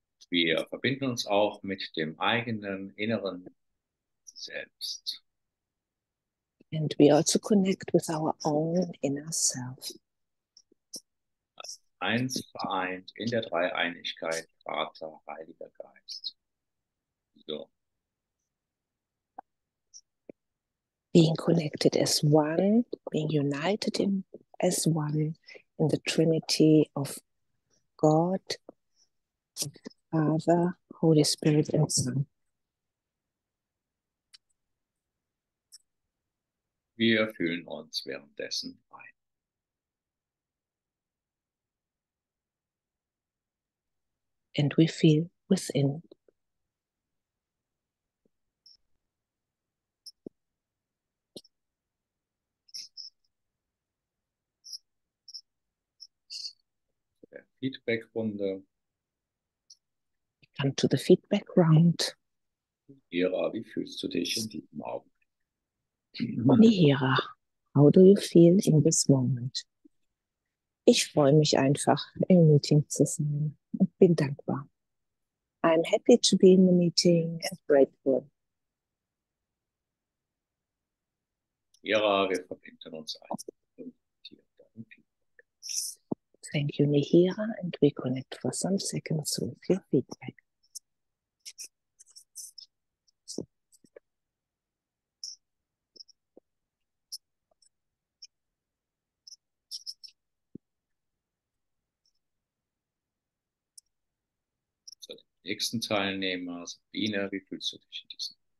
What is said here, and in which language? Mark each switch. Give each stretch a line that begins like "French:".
German: Wir verbinden uns auch mit dem eigenen inneren Selbst.
English: And we also connect with our own inner self.
German: Eins vereint in der Dreieinigkeit, Vater, Heiliger Geist. So.
English: Being connected as one, being united in, as one in the Trinity of God, Father, Holy Spirit and Son.
German: Wir fühlen uns währenddessen ein.
English: And we feel within.
German: Feedback Runde.
English: Come to the feedback round.
German: Nihira, wie fühlst du dich in diesem Augenblick?
English: Nihira, how do you feel in this moment?
German: Ich freue mich einfach, im Meeting zu sein und bin dankbar.
English: I'm happy to be in the meeting and grateful.
German: Ja, wir verbinden uns ein.
English: Thank you, Nihira, and we connect for some seconds with your feedback.
German: So, nächsten Teilnehmer, Sabine, wie fühlst du dich in diesem?